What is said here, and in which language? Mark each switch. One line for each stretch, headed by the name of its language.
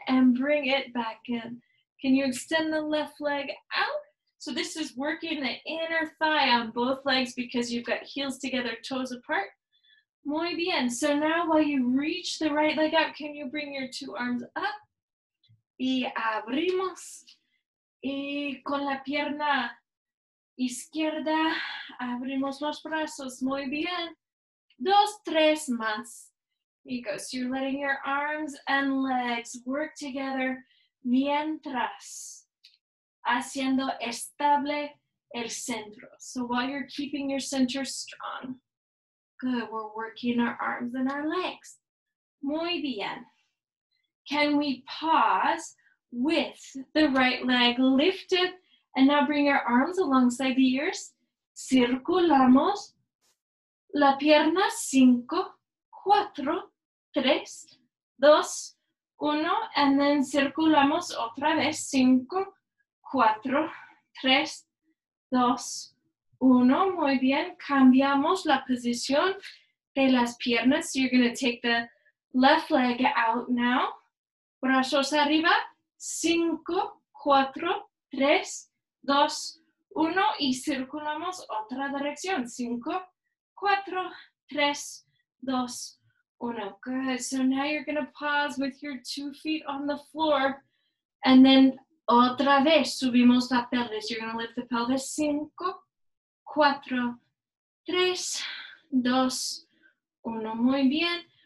English: And bring it back in. Can you extend the left leg out? So this is working the inner thigh on both legs because you've got heels together, toes apart.
Spanish: Muy bien.
English: So now while you reach the right leg out, can you bring your two arms up?
Spanish: Y abrimos. Y con la pierna izquierda, abrimos los brazos. Muy bien. Dos, tres más. Y go.
English: So you're letting your arms and legs work together
Spanish: mientras haciendo estable el centro.
English: So while you're keeping your center strong. Good. We're working our arms and our legs.
Spanish: Muy bien.
English: Can we pause with the right leg lifted? And now bring your arms alongside the ears.
Spanish: Circulamos la pierna. Cinco, cuatro, tres, dos, uno.
English: And then
Spanish: circulamos otra vez. Cinco, cuatro, tres, dos, uno. Muy bien. Cambiamos la posición de las piernas.
English: So you're going to take the left leg out now.
Spanish: Brazos arriba. Cinco, cuatro, tres, dos, uno, y circulamos otra dirección. Cinco, cuatro, tres, dos, uno.
English: Good. So now you're going to pause with your two feet on the floor. And then
Spanish: otra vez subimos la pelvis.
English: You're going to lift the pelvis.
Spanish: Cinco, cuatro, tres, dos, uno. Muy bien.